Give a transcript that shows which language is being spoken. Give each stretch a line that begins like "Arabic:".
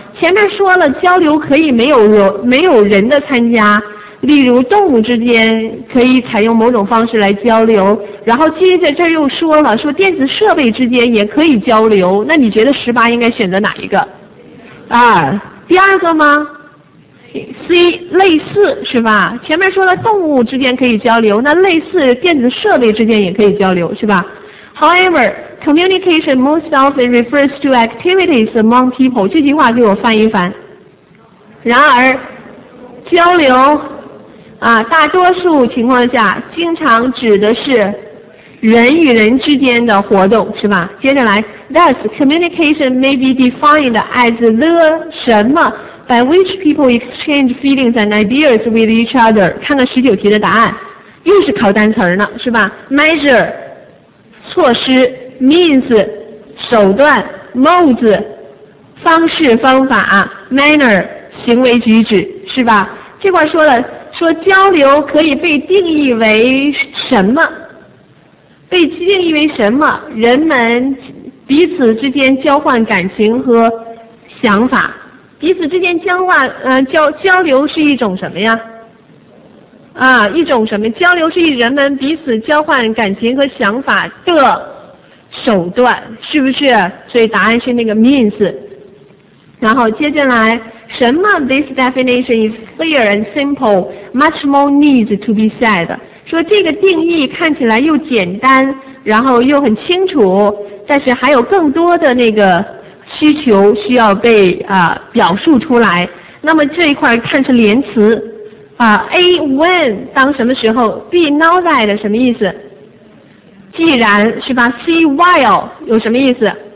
Chinese: 前面说了交流可以没有人的参加，例如动物之间可以采用某种方式来交流，然后接着这又说了说电子设备之间也可以交流，那你觉得十八应该选择哪一个啊？第二个吗？ C 类似，是吧？前面说了动物之间可以交流，那类似电子设备之间也可以交流，是吧？
English: HoweverCommunication most often refers to activities among people。
Chinese: 这句话给我翻一翻。然而交流啊，大多数情况下经常指的是人与人之间的活动，是吧？接着来，
English: Thus communication may be defined as the
Chinese: 什么
English: by which people exchange feelings and ideas with each other。
Chinese: 看看十九题的答案，又是考单词呢，是吧？ Measure 措施，means 手段， modes 方式方法， manner 行为举止，是吧？这块说了说交流可以被定义为什么，被定义为什么？人们彼此之间交换感情和想法，彼此之间交换交流是一种什么呀？啊，一种什么？交流是以人们彼此交换感情和想法的手段，是不是？所以答案是那个 means。然后接下来什么？
English: This definition is clear and simple, much more needs to be said。
Chinese: 说这个定义看起来又简单然后又很清楚，但是还有更多的那个需求需要被表述出来。那么这一块看是连词啊， A when 当什么时候， B now that 什么意思，既然，是吧？ See while 有什么意思？